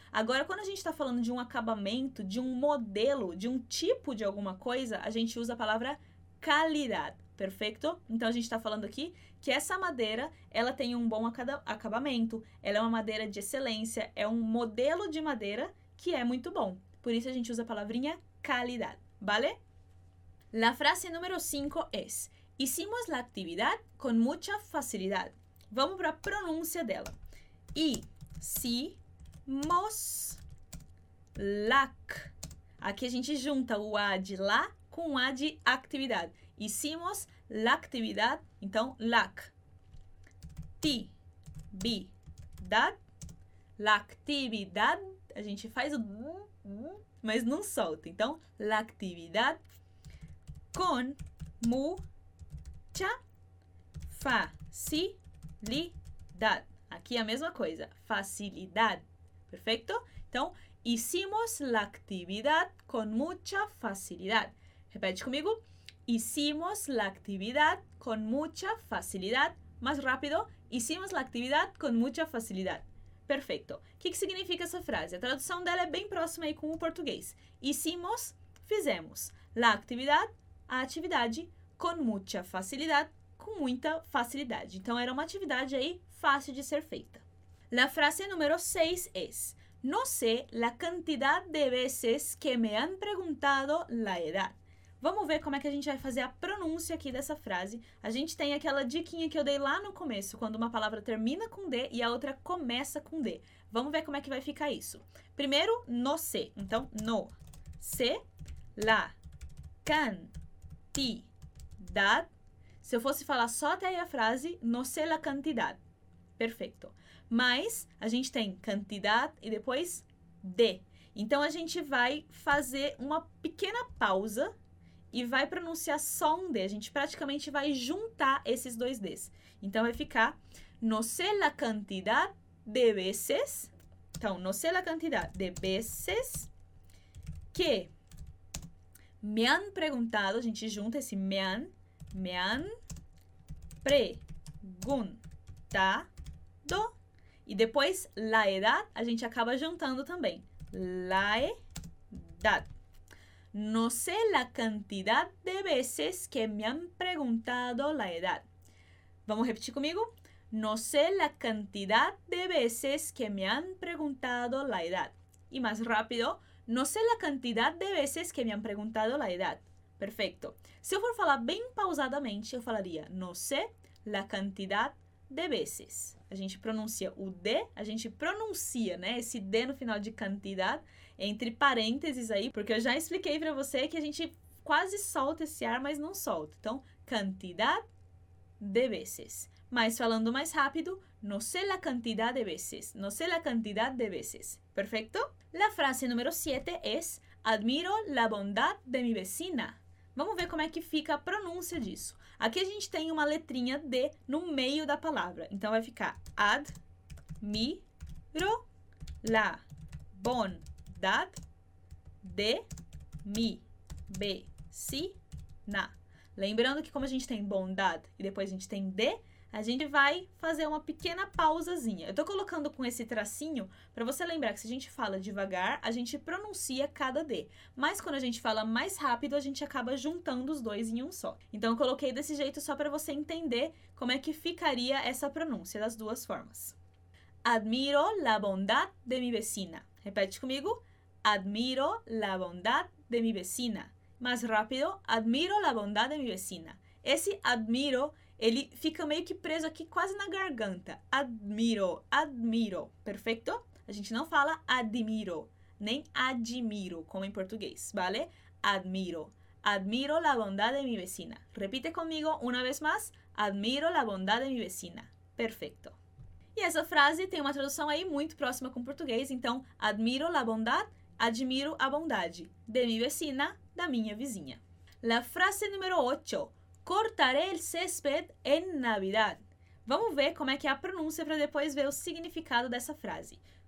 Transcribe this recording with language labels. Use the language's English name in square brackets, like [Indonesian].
[Portuguese] Agora, quando a gente está falando de um acabamento, de um modelo, de um tipo de alguma coisa, a gente usa a palavra calidad, perfeito? Então, a gente está falando aqui que essa madeira, ela tem um bom acabamento, ela é uma madeira de excelência, é um modelo de madeira que é muito bom. Por isso, a gente usa a palavrinha calidad, ¿vale? [Spanish] La frase número 5 es hicimos la actividad con mucha facilidad. [Portuguese] Vamos para a pronúncia dela. [Spanish] Hicimos lac. [Portuguese] Aqui a gente junta o A de lá com o A de actividade. [Spanish] Hicimos la actividad, [Portuguese] então lac. Tividad, [Spanish] la actividad, [Portuguese] a gente faz o mas não solta. Então, [Spanish] la actividad con mucha facilidad. [Portuguese] Aqui a mesma coisa, facilidad. Perfeito? Então, [Spanish] hicimos la actividad con mucha facilidad. [Portuguese] Repete comigo. [Spanish] Hicimos la actividad con mucha facilidad. Más rápido. Hicimos la actividad con mucha facilidad. Perfecto. [Portuguese] O que significa essa frase? A tradução dela é bem próxima aí com o português. [Spanish] Hicimos, [Portuguese] fizemos. [Spanish] La actividad, [Portuguese] a atividade, [Spanish] con mucha facilidad, [Portuguese] com muita facilidade. Então, era uma atividade aí fácil de ser feita. [Spanish] La frase número 6 es, no sé la cantidad de veces que me han preguntado la edad. [Portuguese] Vamos ver como é que a gente vai fazer a pronúncia aqui dessa frase. A gente tem aquela diquinha que eu dei lá no começo, quando uma palavra termina com D e a outra começa com D. Vamos ver como é que vai ficar isso. Primeiro, no sé. Então, [Spanish] no sé la cantidad. [Portuguese] Se eu fosse falar só até aí a frase, [Spanish] no sé la cantidad. [Portuguese] Perfeito. Mas a gente tem cantidad e depois de. Então, a gente vai fazer uma pequena pausa e vai pronunciar só um D. A gente praticamente vai juntar esses dois Ds. Então, vai ficar [Spanish] no sé la cantidad de veces. Então, no sé la cantidad de veces que me han preguntado. [Portuguese] A gente junta esse [Spanish] me han preguntado. [Portuguese] E depois, la edad, a gente acaba juntando também. [Spanish] La edad. No sé la cantidad de veces que me han preguntado la edad. Vamos a repetir [Portuguese] comigo. [Spanish] No sé la cantidad de veces que me han preguntado la edad. Y más rápido. No sé la cantidad de veces que me han preguntado la edad. Perfecto. Si yo fuera a hablar bien pausadamente, yo [Portuguese] falaría [Spanish] no sé la cantidad de veces. [Portuguese] A gente pronuncia o D, a gente pronuncia, né, esse D no final de cantidad, entre parênteses aí, porque eu já expliquei pra você que a gente quase solta esse ar, mas não solta. [Spanish] Então, cantidad de veces. [Portuguese] Mas falando mais rápido, [Spanish] no sé la cantidad de veces. No sé la cantidad de veces. Perfecto? La frase número 7 es admiro la bondad de mi vecina. [Portuguese] Vamos ver como é que fica a pronúncia disso. Aqui a gente tem uma letrinha D no meio da palavra. Então vai ficar [Spanish] admiro la bondad de mi vecina. [Portuguese] Lembrando que como a gente tem bondad e depois a gente tem D, a gente vai fazer uma pequena pausazinha. Eu tô colocando com esse tracinho pra você lembrar que se a gente fala devagar, a gente pronuncia cada D. Mas quando a gente fala mais rápido, a gente acaba juntando os dois em um só. Então eu coloquei desse jeito só pra você entender como é que ficaria essa pronúncia das duas formas. [Spanish] Admiro la bondad de mi vecina. Repete comigo. Admiro la bondad de mi vecina. [Portuguese] Mais rápido. [Spanish] Admiro la bondad de mi vecina. [Portuguese] Esse admiro, ele fica meio que preso aqui, quase na garganta. Admiro, admiro. Perfeito? A gente não fala admiro, nem admiro, como em português, vale? [Spanish] Admiro. Admiro la bondad de mi vecina. [Portuguese] Repite comigo uma vez mais. [Spanish] Admiro la bondad de mi vecina. [Portuguese] Perfeito. E essa frase tem uma tradução aí muito próxima com português. Então, [Spanish] admiro la bondad, [Portuguese] admiro a bondade. [Spanish] De mi vecina, [Portuguese] da minha vizinha. [Spanish] La frase número 8. Cortaré el césped en Navidad. [Portuguese] Vamos ver como é que é a pronúncia para depois ver o significado dessa frase.